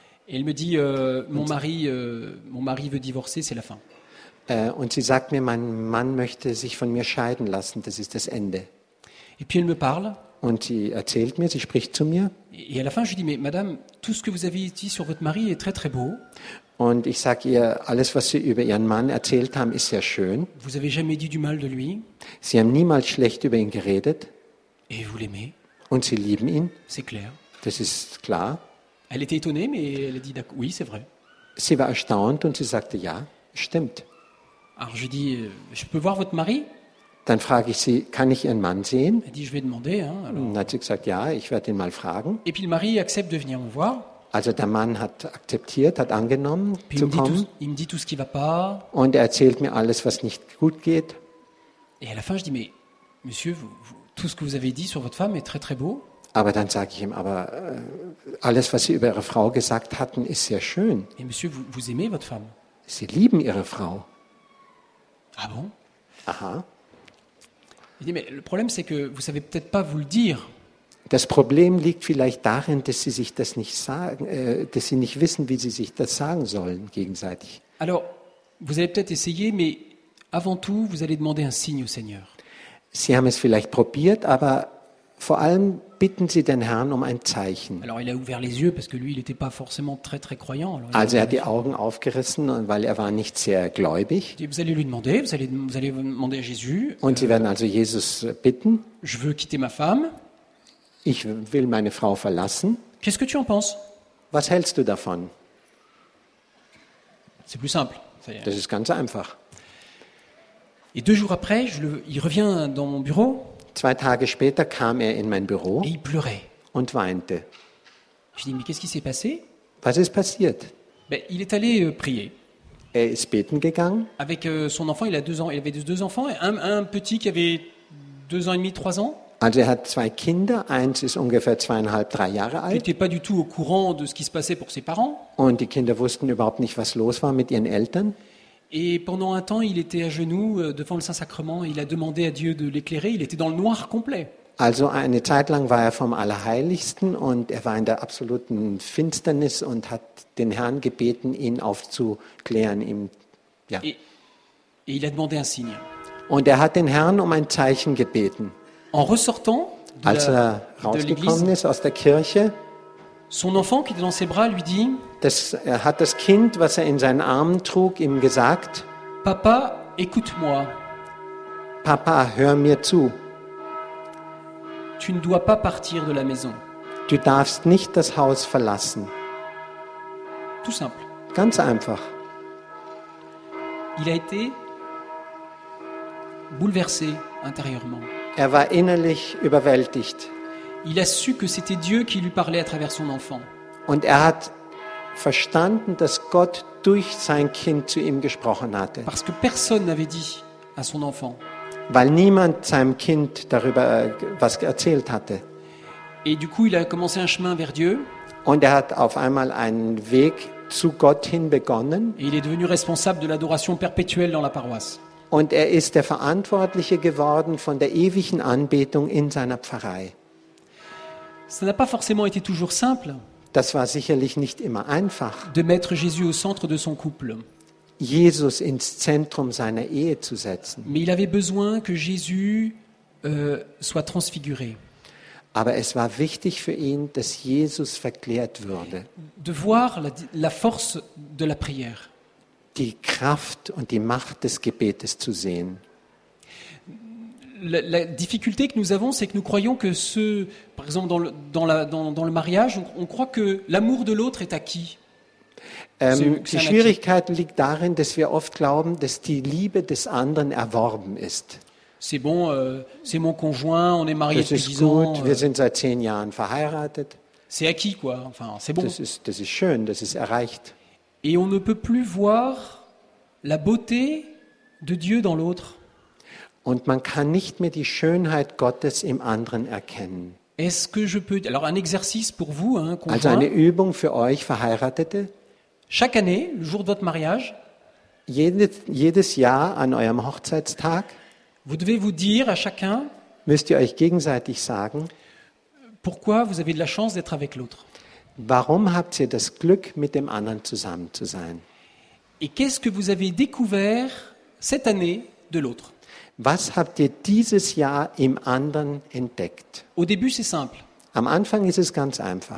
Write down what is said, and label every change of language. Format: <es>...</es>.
<fr>Elle me dit, mon mari veut divorcer, c'est la fin.</fr> <de>Und sie sagt mir, mein Mann möchte sich von mir scheiden lassen, das ist das Ende.</de> <fr>Et puis elle me parle.</fr> <de>Und sie erzählt mir, sie spricht zu mir.</de> <fr>Et à la fin, je dis, mais madame, tout ce que vous avez dit sur votre mari est très très beau.</fr> <de>Und ich sage ihr, alles, was sie über ihren Mann erzählt haben, ist sehr schön.</de> <fr>Vous avez jamais dit du mal de lui.</fr> <de>Sie haben niemals schlecht über ihn geredet.</de> <fr>Et vous l'aimez.</fr> <de>Und sie lieben ihn.</de> <fr>C'est clair.</fr> <de>Das ist klar.</de> <fr>Elle était étonnée, mais elle a dit, oui, c'est vrai.</fr> <de>Sie war erstaunt und sie sagte, ja, stimmt.</de> <fr>Alors je dis, je peux voir votre mari?</fr> <de>Dann frage ich sie, kann ich ihren Mann sehen?</de> <fr>Elle dit, je vais demander. Hein, alors.</fr> <de>Dann hat sie gesagt, ja, ich werde ihn mal fragen.</de> <fr>Et puis le mari accepte de venir me voir.</fr> <de>Also der Mann hat akzeptiert, hat angenommen,</de> <fr>puis</fr> <de>zu kommen.</de> <fr>Il me dit tout ce qui va pas.</fr> <de>Und er erzählt mir alles, was nicht gut geht.</de> <fr>Et à la fin, je dis, mais monsieur, tout ce que vous avez dit sur votre femme est très très beau.</fr> <de>Aber dann sage ich ihm, aber alles, was sie über ihre Frau gesagt hatten, ist sehr schön.</de> <fr>Et monsieur, vous aimez votre femme?</fr> <de>Sie lieben ihre Frau.</de> <fr>Ah bon? Aha. Il dit, mais le problème, c'est que vous savez peut-être pas vous le dire.</fr> <de>Das Problem liegt vielleicht darin, dass sie sich das nicht sagen, dass sie nicht wissen, wie sie sich das sagen sollen gegenseitig.</de> <fr>Alors, vous allez peut-être essayer, mais avant tout, vous allez demander un signe au Seigneur.</fr> <de>Sie haben es vielleicht probiert, aber vor allem bitten Sie den Herrn um ein Zeichen.</de> <fr>Alors, il a ouvert les yeux parce que lui, il n'était pas forcément très très croyant. Alors,</fr> <de>also, er hat die Augen aufgerissen, weil er war nicht sehr gläubig.</de> <fr>Vous allez lui demander, vous allez demander à Jésus.</fr> <de>Und Sie werden also Jesus bitten.</de> <fr>Je veux quitter ma femme.</fr> <de>Ich will meine Frau verlassen.</de> <fr>Qu'est-ce que tu en penses?</fr> <de>Was hältst du davon?</de> <fr>C'est plus simple.</fr> <de>Das ist ganz einfach.</de> <fr>Et deux jours après, il revient dans mon bureau.</fr> <de>Zwei Tage später kam er in mein Büro</de> <fr>et il pleurait.</fr> <de>Und weinte.</de> <fr>Je dis, mais qu'est-ce qui s'est passé?</fr> <de>Was ist passiert?</de> <fr>Ben, il est allé prier.</fr> <de>Er ist beten gegangen.</de> <fr>Avec son enfant, il a deux ans, il avait deux enfants, un petit qui avait deux ans et demi, trois ans.</fr> <de>Also er hat zwei Kinder, eins ist ungefähr zweieinhalb, drei Jahre alt.</de> <fr>Il n'était pas du tout au courant de ce qui se passait pour ses parents.</fr> <de>Und die Kinder wussten überhaupt nicht, was los war mit ihren Eltern.</de> <fr>Et pendant un temps, il était à genoux devant le Saint-Sacrement, il a demandé à Dieu de l'éclairer, il était dans le noir complet.</fr> <de>Also eine Zeit lang war er vom Allerheiligsten und er war in der absoluten Finsternis und hat den Herrn gebeten, ihn aufzuklären, ihm</de> <fr>ja. Et il a demandé un signe.</fr> <de>Und er hat den Herrn um ein Zeichen gebeten.</de> <fr>En ressortant de</fr> <de>als er rausgekommen ist aus der Kirche,</de> <fr>son enfant qui était dans ses bras lui dit,</fr> <de>er hat das Kind, was er in seinen Armen trug, ihm gesagt,</de> <fr>Papa, écoute-moi.</fr> <de>Papa, hör mir zu.</de> <fr>Tu ne dois pas partir de la maison.</fr> <de>Du darfst nicht das Haus verlassen.</de> <fr>Tout simple.</fr> <de>Ganz einfach.</de> <fr>Il a été bouleversé intérieurement.</fr> <de>Er war innerlich überwältigt.</de> <fr>Il a su que c'était Dieu qui lui parlait à travers son enfant.</fr> <de>Und er hat verstanden, dass Gott durch sein Kind zu ihm gesprochen hatte.</de> <fr>Parce que personne n'avait dit à son enfant.</fr> <de>Weil niemand seinem Kind darüber was erzählt hatte.</de> <fr>Et du coup, il a commencé un chemin vers Dieu.</fr> <de>Und er hat auf einmal einen Weg zu Gott hin begonnen.</de> <fr>Et il est devenu responsable de l'adoration perpétuelle dans la paroisse.</fr> <de>Und er ist der Verantwortliche geworden von der ewigen Anbetung in seiner Pfarrei.</de> <fr>Ça n'a pas forcément été toujours simple.</fr> <de>Das war sicherlich nicht immer einfach.</de> <fr>De mettre Jésus au centre de son couple.</fr> <de>Jesus ins Zentrum seiner Ehe zu setzen.</de> <fr>Mais il avait besoin que Jésus soit transfiguré.</fr> <de>Aber es war wichtig für ihn, dass Jesus verklärt würde.</de> <fr>De voir la force de la prière.</fr> <de>Die Kraft und die Macht des Gebetes zu sehen.</de> <fr>la difficulté que nous avons, c'est que nous croyons que ce, par exemple, dans le mariage, on croit que l'amour de l'autre est acquis.</fr> <de>Die Schwierigkeit liegt darin, dass wir oft glauben, dass die Liebe des anderen erworben ist.</de> <fr>C'est bon, c'est mon conjoint, on est mariés depuis 10</fr> <de>gut,</de> <fr>ans.</fr> <de>Wir sind seit 10 Jahren verheiratet.</de> <fr>C'est acquis, quoi. Enfin, c'est bon.</fr> <de>Das ist schön, das ist erreicht.</de> <fr>Et on ne peut plus voir la beauté de Dieu dans l'autre.</fr> <de>Und man kann nicht mehr die Schönheit Gottes im anderen erkennen.</de> <fr>Est-ce que je peux... Alors un exercice pour vous, hein, conjoint.</fr> <de>Also eine Übung für euch Verheiratete.</de> <fr>Chaque année, le jour de votre mariage,</fr> <de>jedes Jahr an eurem Hochzeitstag,</de> <fr>vous devez vous dire à chacun,</fr> <de>müsst ihr euch gegenseitig sagen,</de> <fr>pourquoi vous avez de la chance d'être avec l'autre.</fr> <de>Warum habt ihr das Glück, mit dem anderen zusammen zu sein?</de> <fr>Et qu'est-ce que vous avez découvert cette année de l'autre?</fr> <de>Was habt ihr dieses Jahr im anderen entdeckt?</de> <fr>Au début, c'est simple.</fr> <de>Am Anfang ist es ganz einfach.</de>